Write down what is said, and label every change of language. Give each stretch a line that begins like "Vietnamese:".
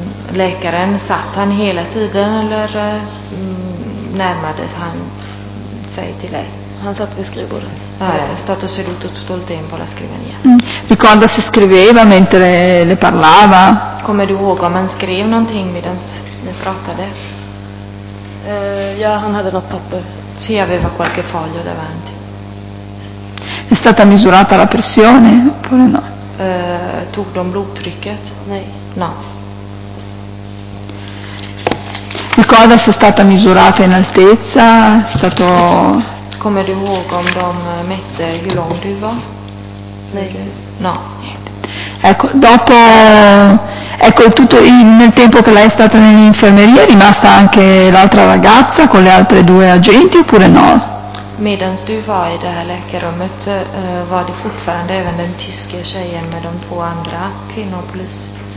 Swedish: Läkaren satt han hela tiden eller närmade han sig till dig? Han satt vid skrivbordet.
Italian: Stato seduto tutto il tempo alla scrivania. Ricorda se scriveva mentre le parlava?
Swedish: Come du ihåg om han skrev någonting medan ni pratade? Ja, han hade något papper.
Italian: Sì, aveva qualche foglio davanti. È stata misurata la pressione oppure no?
Swedish: Tog de blodtrycket? Nej.
Italian: No. Ricorda se è stata misurata in altezza? È stato...
Swedish: Come du ihåg om de mätte hur lång du var? Nej.
Italian: No. Ecco, dopo, ecco, tutto nel tempo che lei è stata nell'infermeria, è rimasta anche l'altra ragazza con le altre due agenti oppure no?
Swedish: Medan du var i det här läkarrummet var det fortfarande även den tyska tjejen med de två andra kvinnor polis.